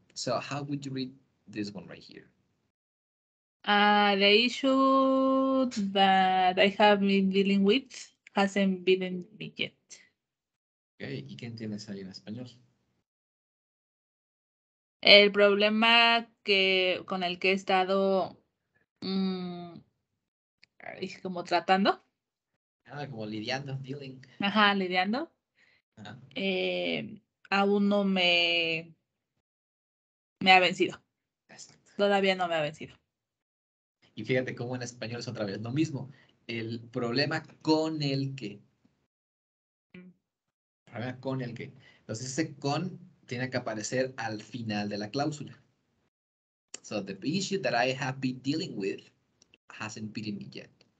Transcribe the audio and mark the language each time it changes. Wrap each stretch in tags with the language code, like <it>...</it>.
<en>So how would you read this one right here? The issue that I have been dealing with hasn't been me yet.</en> <es>Okay. ¿Y qué entiendes ahí en español? El problema que con el que he estado... como tratando. Ah, como lidiando, dealing. Ajá, lidiando. Ah. Aún no me ha vencido. Exacto. Todavía no me ha vencido. Y fíjate cómo en español es otra vez lo mismo. El problema con el que. El problema con el que. Entonces ese con tiene que aparecer al final de la cláusula.</es> <en>So the issue that I have been dealing with hasn't beaten me yet.</en>